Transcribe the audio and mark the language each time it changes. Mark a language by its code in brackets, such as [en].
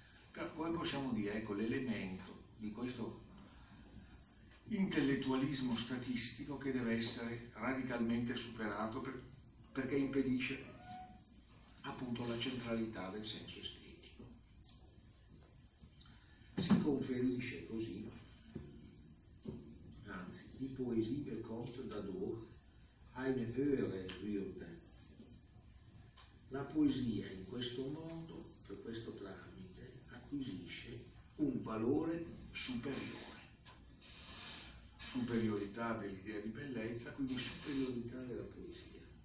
[it] Però come possiamo dire, ecco, l'elemento di questo intellettualismo statistico che deve essere radicalmente superato perché impedisce appunto la centralità del senso estetico. Si conferisce così, anzi, [de] die Poesie bekommt dadurch eine höhere Würde. [it] La poesia in questo modo, per questo tramite, acquisisce un valore superiore. Superiorità dell'idea di bellezza, quindi superiorità della poesia.